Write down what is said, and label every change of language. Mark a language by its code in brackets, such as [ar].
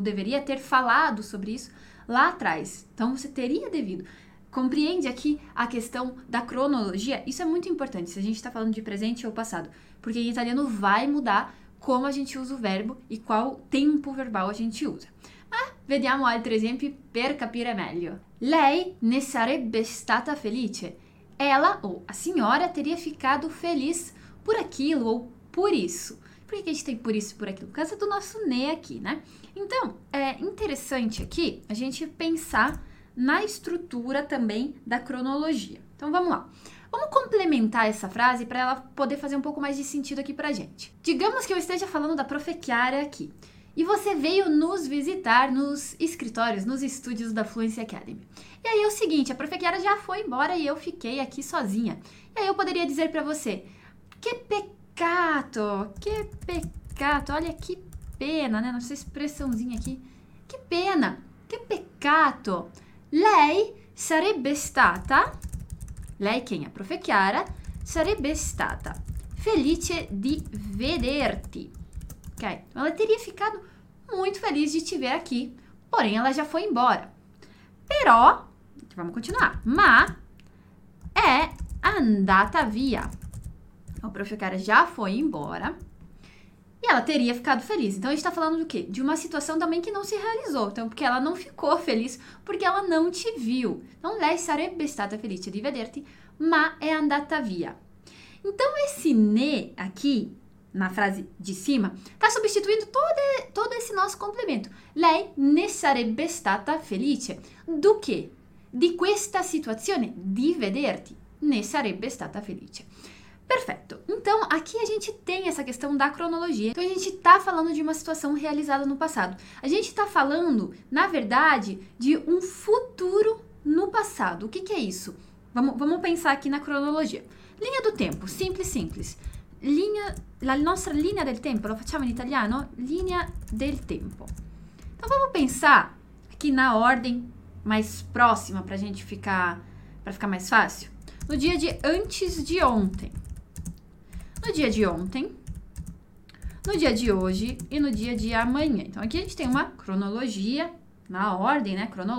[pt] Ou deveria ter falado sobre isso lá atrás. Então você teria devido. Compreende aqui a questão da cronologia? Isso é muito importante, se a gente está falando de presente ou passado. Porque em italiano vai mudar como a gente usa o verbo e qual tempo verbal a gente usa. [it] Ma vediamo altri esempi per capire meglio. Lei ne sarebbe stata felice. [pt] Ela ou a senhora teria ficado feliz por aquilo ou por isso. Por que a gente tem por isso e por aquilo? Por causa do nosso ne aqui, né? Então, é interessante aqui a gente pensar na estrutura também da cronologia. Então, vamos lá. Vamos complementar essa frase para ela poder fazer um pouco mais de sentido aqui para a gente. Digamos que eu esteja falando da Prof. Chiara aqui. E você veio nos visitar nos escritórios, nos estúdios da Fluency Academy. E aí é o seguinte, a Profe Chiara já foi embora e eu fiquei aqui sozinha. E aí eu poderia dizer para você: que peccato, olha que pena, né? Nossa expressãozinha aqui. Que pena, que peccato. [it] Lei sarebbe stata, lei quem? A Profe Chiara, sarebbe stata felice di vederti. Ok? [pt] Ela teria ficado muito feliz de te ver aqui, porém ela já foi embora. [it] Però, [pt] vamos continuar. [it] Ma è andata via. [pt] O professor cara já foi embora e ela teria ficado feliz. Então a gente está falando do quê? De uma situação também que não se realizou. Então, porque ela não ficou feliz porque ela não te viu. [it] Então, lei sarebbe stata felice di vederti, ma è andata via. [pt] Então esse ne aqui na frase de cima, está substituindo todo esse nosso complemento. [it] Lei ne sarebbe stata felice. [pt] Do quê? [it] Di questa situazione, di vederti. Ne sarebbe stata felice. Perfetto. [pt] Então, aqui a gente tem essa questão da cronologia. Então, a gente está falando de uma situação realizada no passado. A gente está falando, na verdade, de um futuro no passado. O que que é isso? Vamos pensar aqui na cronologia. Linha do tempo. Simples, simples. [it] La nostra linea del tempo, lo facciamo in italiano? Linea del tempo. [pt] Então vamos pensar aqui na ordem mais próxima para ficar mais fácil. No dia de antes de ontem. No dia de ontem. No dia de hoje e no dia de amanhã. Então aqui a gente tem uma cronologia na ordem, né?